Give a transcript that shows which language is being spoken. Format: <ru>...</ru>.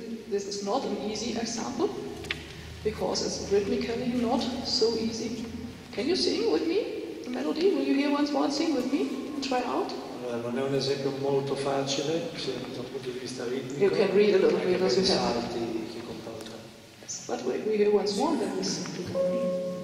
<en>This is not an easy example because it's rhythmically not so easy. Can you sing with me the melody? Will you hear once more and sing with me and try out?</en> <it>Non è un esempio molto facile, sia dal punto di vista ritmico.</it> <en>You can read a little bit as you have.</en> <it>Salti che comporta.</it> <en>Yes, but wait, we hear once more and then we sing together.</en>